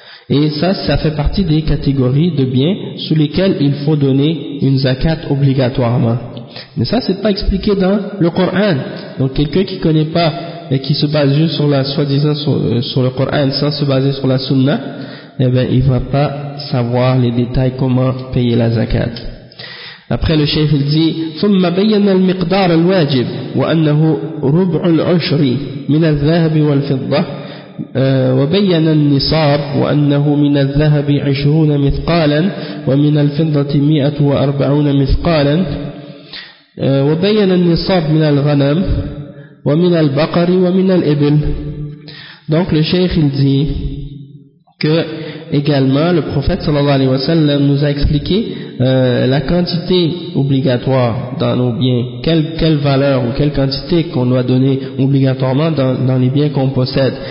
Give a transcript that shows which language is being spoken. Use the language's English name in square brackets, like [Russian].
[French] Et ça fait partie des catégories de biens sous lesquelles il faut donner une zakat obligatoirement. Mais ça, c'est pas expliqué dans le Coran. Donc quelqu'un qui connaît pas et qui se base juste sur la, soi-disant sur le Coran, sans se baser sur la Sunna, eh ben il va pas savoir les détails comment payer la zakat. Après le cheikh il dit: [Arabic] ثم بين المقدار الواجب وأنه ربع العشر من الذهب والفضة وبين النصاب وأنه من الذهب عشرون مثقالا ومن الفضة مائة وأربعون مثقالا وبين النصاب من الغنم ومن البقر ومن الإبل. [French] Donc le cheikh il dit que également le prophète sallallahu alayhi wa sallam nous a expliqué la quantité obligatoire dans nos biens, quelle valeur ou quelle quantité qu'on doit donner obligatoirement dans les biens qu'on possède.